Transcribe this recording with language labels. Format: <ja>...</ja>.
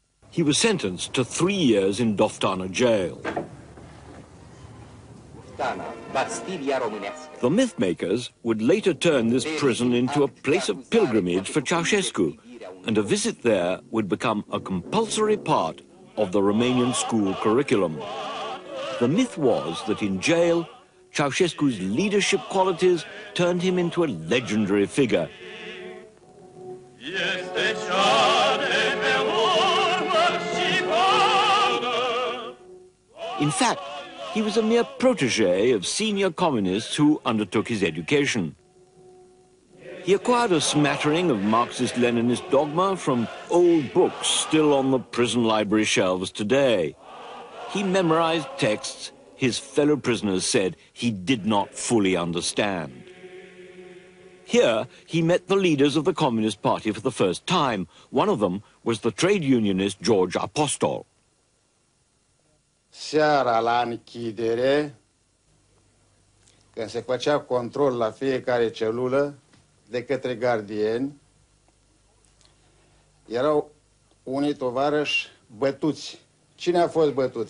<en>He was sentenced to 3 years in Doftana jail.</en> <ro>Doftana, Bastilia românească.</ro> <en>The mythmakers would later turn this prison into a place of pilgrimage for Ceaușescu, and a visit there would become a compulsory part of the Romanian school curriculum. The myth was that in jail, Ceaușescu's leadership qualities turned him into a legendary figure.</en> <ro>Este cea de urmă și bună.</ro> <en>In fact, he was a mere protege of senior communists who undertook his education. He acquired a smattering of Marxist-Leninist dogma from old books still on the prison library shelves today. He memorized texts his fellow prisoners said he did not fully understand. Here, he met the leaders of the Communist Party for the first time. One of them was the trade unionist George Apostol.</en> <ro>Seara la închidere, când se făcea control la fiecare celulă, de către gardieni, erau unii tovarăși bătuți. Cine a fost bătut?</ro>